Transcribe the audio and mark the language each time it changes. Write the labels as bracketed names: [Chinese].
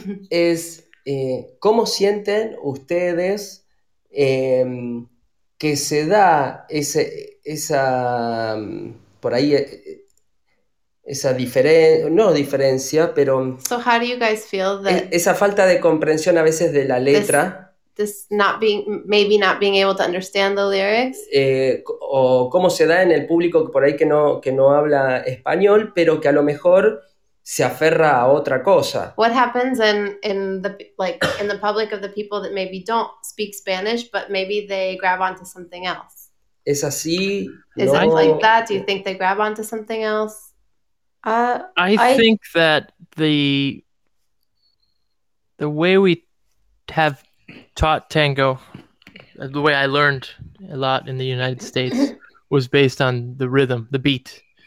[Spanish] Es, ¿cómo sienten ustedes que se da esa diferencia, no diferencia, pero... [English] So how do you guys feel that... [Spanish] Esa falta de comprensión a veces de la letra. [English] This not being, maybe not being able to understand the lyrics. [Spanish] O cómo se da en el público por ahí que no habla español, pero que a lo mejor se aferra a otra cosa. [English] What happens in the public of the people that maybe don't speak Spanish, but maybe they grab onto something else? [Spanish] ¿Es así? [English] Is it like that? Do you think they grab onto something else? I think that the way we have taught tango, the way I learned a lot in the United States, was based on the rhythm, the beat.